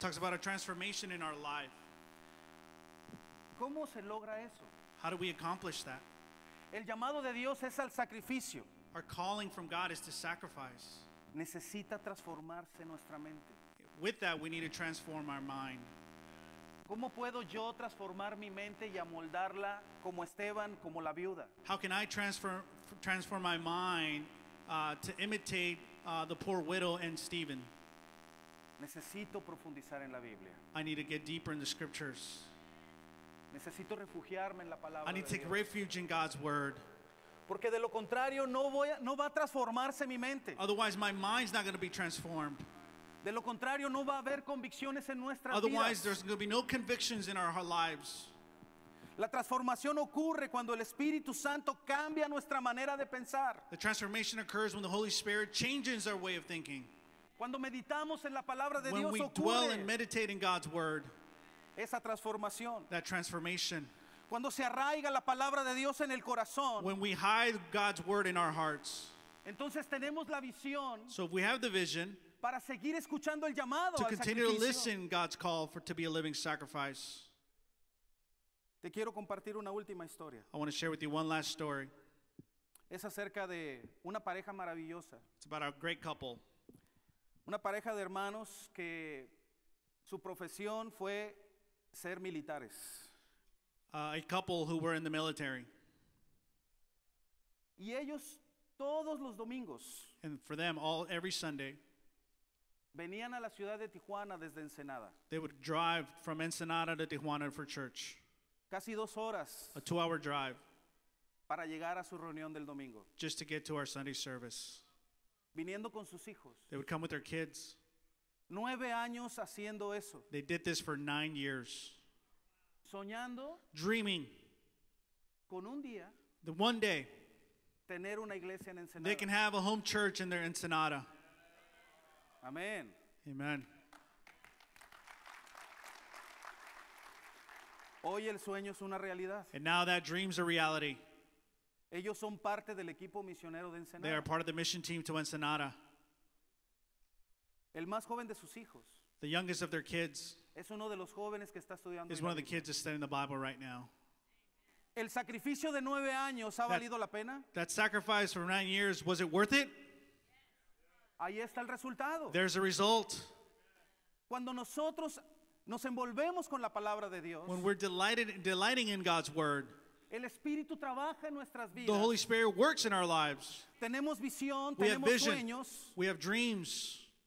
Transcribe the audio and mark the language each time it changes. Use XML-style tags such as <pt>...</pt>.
<en>Talks about a transformation in our life.</en> <es>¿Cómo se logra eso?</es> <en>How do we accomplish that?</en> <es>El llamado de Dios es al sacrificio.</es> <en>Our calling from God is to sacrifice.</en> <es>Necesita transformarse nuestra mente.</es> <en>With that, we need to transform our mind.</en> <es>¿Cómo puedo yo transformar mi mente y amoldarla como Esteban, como la viuda?</es> <en>How can I transform my mind to imitate the poor widow and Stephen?</en> <es>Necesito profundizar en la Biblia.</es> <en>I need to get deeper in the scriptures.</en> <es>Necesito refugiarme en la palabra.</es> <en>I need to take refuge in God's word.</en> <es>Porque de lo contrario no va a transformarse mi mente.</es> <en>Otherwise my mind's not going to be transformed.</en> <es>De lo contrario no va a haber convicciones en nuestras vidas.</es> <en>Otherwise there's going to be no convictions in our lives.</en> <es>La transformación ocurre cuando el Espíritu Santo cambia nuestra manera de pensar.</es> <en>The transformation occurs when the Holy Spirit changes our way of thinking.</en> <es>Cuando meditamos en la palabra de Dios ocurre.</es> <en>When we dwell and meditate in God's word.</en> <es>Esa transformación.</es> <en>That transformation.</en> <es>Cuando se arraiga la palabra de Dios en el corazón.</es> <en>When we hide God's word in our hearts.</en> <es>Entonces tenemos la visión.</es> <en>So if we have the vision.</en> <es>Para seguir escuchando el llamado</es> <en>to continue to listen God's call for to be a living sacrifice.</en> <es>Te quiero compartir una última historia.</es> <en>I want to share with you one last story.</en> <es>Es acerca de una pareja maravillosa.</es> <en>It's about a great couple.</en> <es>Una pareja de hermanos que su profesión fue ser militares.</es> <en>A couple who were in the military.</en> <es>Y ellos todos los domingos.</es> <en>And for them, all every Sunday.</en> <es>Venían a la ciudad de Tijuana desde Ensenada.</es> <en>They would drive from Ensenada to Tijuana for church.</en> <es>Casi dos horas.</es> <en>A two-hour drive.</en> <es>Para llegar a su reunión del domingo.</es> <en>Just to get to our Sunday service.</en> <es>Viniendo con sus hijos.</es> <en>They would come with their kids.</en> <es>9 años haciendo eso.</es> <en>They did this for 9 years.</en> <es>Soñando.</es> <en>Dreaming.</en> <es>Con un día.</es> <en>The one day.</en> <es>Tener una iglesia en Ensenada.</es> <en>They can have a home church in their Ensenada. Amen. Amen.</en> <es>Hoy el sueño es una realidad.</es> <en>And now that dream's a reality.</en> <es>Ellos son parte del equipo misionero de Ensenada.</es> <en>They are part of the mission team to Ensenada.</en> <es>El más joven de sus hijos.</es> <en>The youngest of their kids.</en> <es>Es uno de los jóvenes que está estudiando.</es> <en>Is one of the kids that's studying the Bible right now.</en> <es>El sacrificio de 9 años ha valido la pena.</es> <en>That sacrifice for 9 years, was it worth it?</en> <es>Ahí está el resultado.</es> <en>There's a result.</en> <es>Cuando nosotros nos envolvemos con la palabra de Dios.</es> <en>When we're delighting in God's word.</en> <es>El Espíritu trabaja en nuestras vidas.</es> <en>The Holy Spirit works in our lives.</en> <es>Tenemos visión, tenemos sueños.</es> <en>We have dreams.</en>